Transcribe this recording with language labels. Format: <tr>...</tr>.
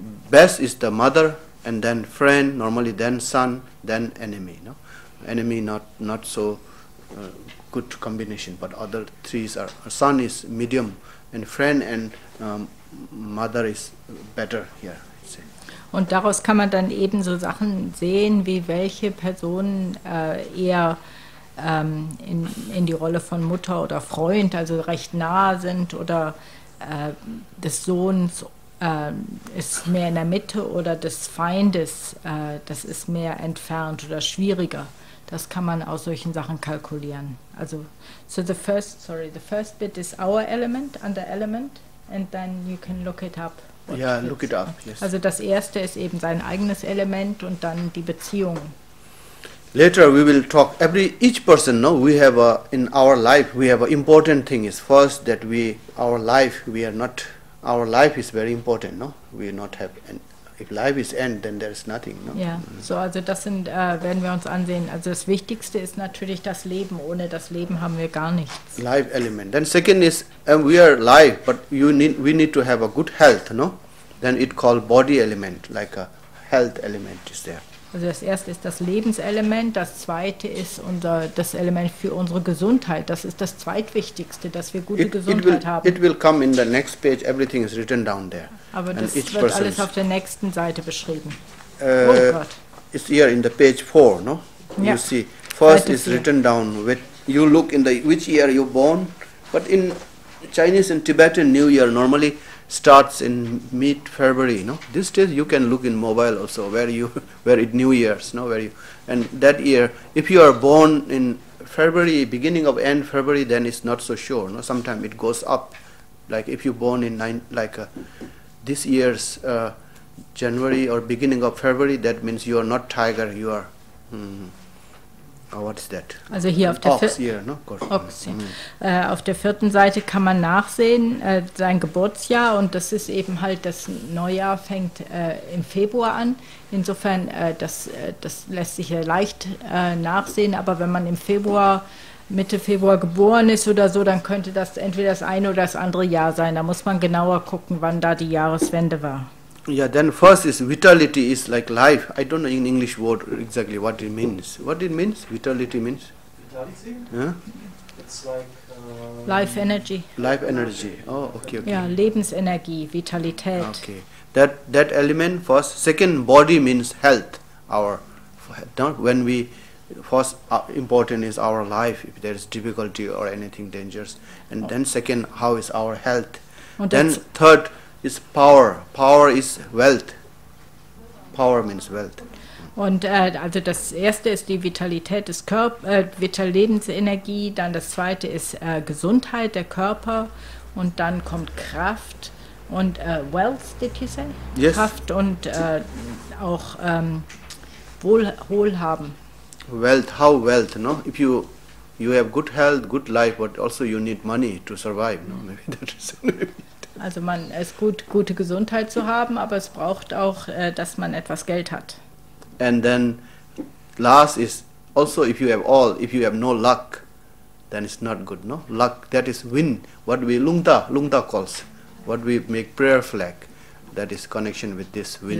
<en>best is the mother, and then friend, normally then son, then enemy. No, enemy not so good combination, but other threes are, son is medium, and friend and mother is better here.</en> <de>Und daraus kann man dann eben so Sachen sehen, wie welche Personen eher in die Rolle von Mutter oder Freund, also recht nah sind, oder des Sohns ist mehr in der Mitte, oder des Feindes, das ist mehr entfernt oder schwieriger. Das kann man aus solchen Sachen kalkulieren.</de> <en>Also, so the first bit is our element, under element, and then you can look it up. Yeah, look it up. Yes.</en> <de>Also das erste ist eben sein eigenes Element und dann die Beziehung.</de> <en>Later we will talk each person, no, we have in our life we have an important thing is first that our life is very important, no? We not have, and if life is end, then there is nothing, no? Yeah.</en> <de>So also das sind werden wir uns ansehen. Also das Wichtigste ist natürlich das Leben. Ohne das Leben haben wir gar nichts.</de> <en>Life element. Then second is we are life, but we need to have a good health, no? Then it called body element, like a health element is there.</en> <de>Also das erste ist das Lebenselement, das zweite ist das Element für unsere Gesundheit. Das ist das Zweitwichtigste, dass wir gute Gesundheit haben.</de> <en>It will come in the next page, everything is written down there.</en> <de>Aber and das wird alles auf der nächsten Seite beschrieben.</de> <en>It's here in the page 4, no? Yeah. You see, first is written down, you look in the which year you born, but in Chinese and Tibetan New Year normally starts in mid-February, no? These days you can look in mobile also where it New Year's, no? Where you, and that year, if you are born in February, beginning of end February, then it's not so sure, no? Sometimes it goes up, like if you born in this year's January or beginning of February, that means you are not tiger, you are. What is that?</en> <de>Also hier auf der auf der vierten Seite kann man nachsehen sein Geburtsjahr, und das ist eben halt das Neujahr fängt im Februar an. Insofern das lässt sich ja leicht nachsehen, aber wenn man im Februar Mitte Februar geboren ist oder so, dann könnte das entweder das eine oder das andere Jahr sein. Da muss man genauer gucken, wann da die Jahreswende war.</de> <en>Yeah, then first is vitality is like life. I don't know in English word exactly what it means. What it means? Vitality means? Vitality? Yeah? It's like life energy. Life energy. Oh, okay.</en> <de>Yeah, Lebensenergie, Vitalität.</de> <en>Okay. That element first. Second, body means health. Our health. When we first important is our life, if there is difficulty or anything dangerous. And then second, how is our health?</en> <de>Und</de> <en>then third, is power. Power is wealth. Power means wealth.</en> <de>Und also das erste ist die Vitalität des Körpers, Lebensenergie, dann das zweite ist Gesundheit der Körper, und dann kommt Kraft und</de> <en>wealth, did you say? Yes.</en> <de>Kraft und auch Wohlhaben.</de> <en>Wealth, how wealth, no? If you have good health, good life, but also you need money to survive, no? Maybe that is</en> <de>Also man ist gut, gute Gesundheit zu haben, aber es braucht auch, dass man etwas Geld hat.</de> <en>And then last is also if you have all, if you have no luck, then it's not good, no? Luck, that is win, what we Lungta calls, what we make prayer flag, that is connection with this wind.</en>